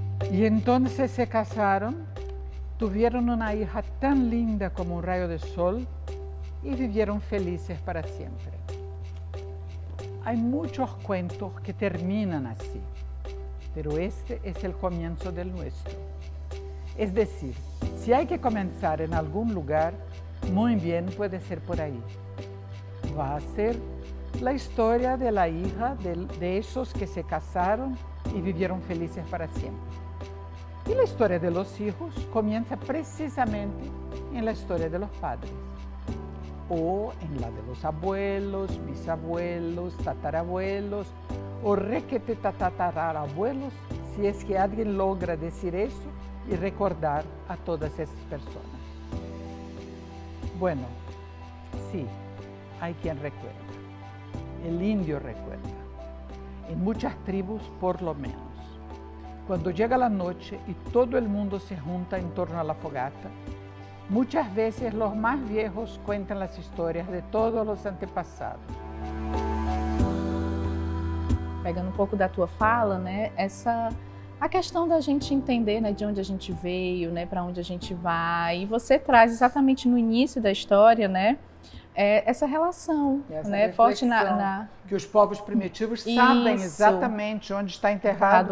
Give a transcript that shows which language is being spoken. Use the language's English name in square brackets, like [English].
[Portuguese] E então se casaram, tiveram uma filha tão linda como um raio de sol e viveram felizes para sempre. Há muitos contos que terminam assim. [Spanish] Pero este es el comienzo del nuestro. Es decir, si hay que comenzar en algún lugar, muy bien puede ser por ahí. Va a ser la historia de la hija de esos que se casaron y vivieron felices para siempre. Y la historia de los hijos comienza precisamente en la historia de los padres. O en la de los abuelos, bisabuelos, tatarabuelos, o requete tatatarar abuelos, si es que alguien logra decir eso y recordar a todas esas personas. Bueno, sí, hay quien recuerda. El indio recuerda. En muchas tribus, por lo menos. Cuando llega la noche y todo el mundo se junta en torno a la fogata, muchas veces los más viejos cuentan las historias de todos los antepasados. [Portuguese] Pegando um pouco da tua fala, né? A questão da gente entender, né, de onde a gente veio, né, para onde a gente vai. E você traz exatamente no início da história, né, essa relação, essa, né, reflexão, forte na que os povos primitivos sabem exatamente onde está enterrado